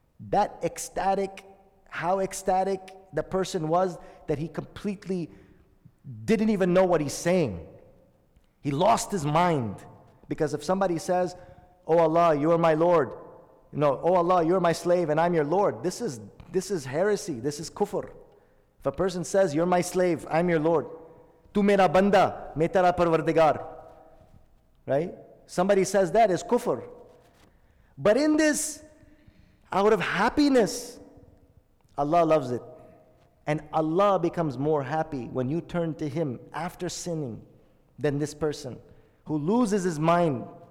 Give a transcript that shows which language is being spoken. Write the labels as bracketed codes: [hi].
[en] That ecstatic, how ecstatic the person was that he completely didn't even know what he's saying. He lost his mind. Because if somebody says, "Oh Allah, you are my Lord." No, "Oh Allah, you're my slave and I'm your Lord." This is heresy. This is kufr. If a person says, "You're my slave, I'm your Lord." [ur] تو میرا بندہ، میں تیرا پروردگار۔ [en] Right? Somebody says that is kufr. But in this, out of happiness, Allah loves it. And Allah becomes more happy when you turn to Him after sinning than this person who loses his mind.